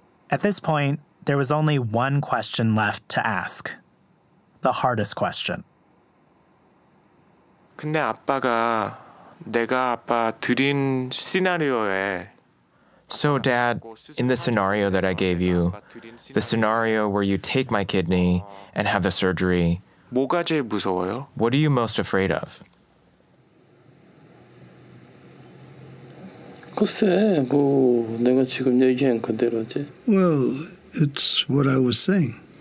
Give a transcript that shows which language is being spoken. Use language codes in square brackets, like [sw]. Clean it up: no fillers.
[en] At this point, there was only one question left to ask. The hardest question. [ko] 근데 아빠가 내가 아빠 드린 시나리오에 [en] So, Dad, in the scenario that I gave you, the scenario where you take my kidney and have the surgery, what are you most afraid of? Well, it's what I was saying.